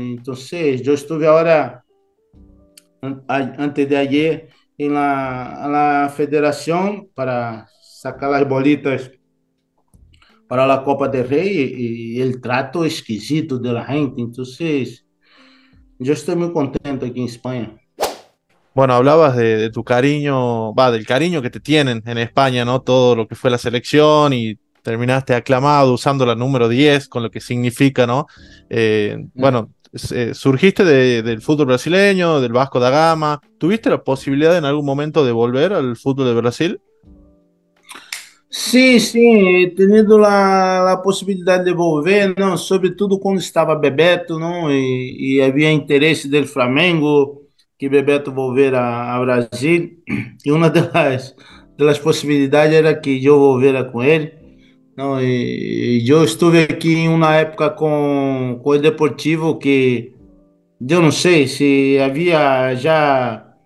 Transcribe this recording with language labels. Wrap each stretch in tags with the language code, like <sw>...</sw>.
<pt>Então, seja, eu estive a hora.</pt> <es>Antes de ayer,</es> <pt>na federação para sacar as bolitas para a Copa del Rey e o trato esquisito da gente. Então, eu estou muito contente aqui em Espanha.</pt> <es>Bueno, hablabas de tu cariño, va, del cariño que te tienen en España, ¿no? Todo lo que fue la selección y terminaste aclamado usando la número 10, con lo que significa, ¿no? Bueno, surgiste del fútbol brasileño, del Vasco da Gama. ¿Tuviste la posibilidad en algún momento de volver al fútbol de Brasil?</es> <pt>Sim, tendo a possibilidade de devolver, não, sobretudo quando estava Bebeto, não, e havia interesse do Flamengo que Bebeto volver a Brasil, e uma das possibilidades era que eu volvera com ele, não, e eu estive aqui em uma época com o Deportivo que eu não sei se havia já</pt>